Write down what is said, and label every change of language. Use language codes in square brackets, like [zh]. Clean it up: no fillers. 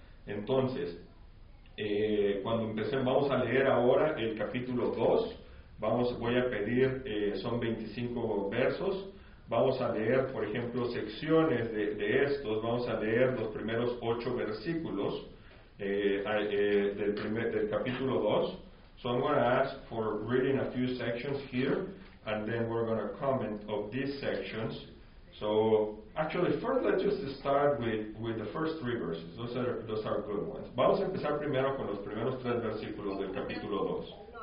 [es] Entonces, cuando empecemos, vamos a leer ahora el capítulo 2. Voy a pedir, son 25 versos. Vamos a leer, por ejemplo, secciones de estos. Vamos a leer los primeros 8 versículos del capítulo 2. [en] So I'm going to ask for reading a few sections here, and then we're going to comment of these sections. So actually, first let's just start with the first 3 verses. Those are good ones. [es] Vamos a empezar primero con los primeros 3 versículos del capítulo 2.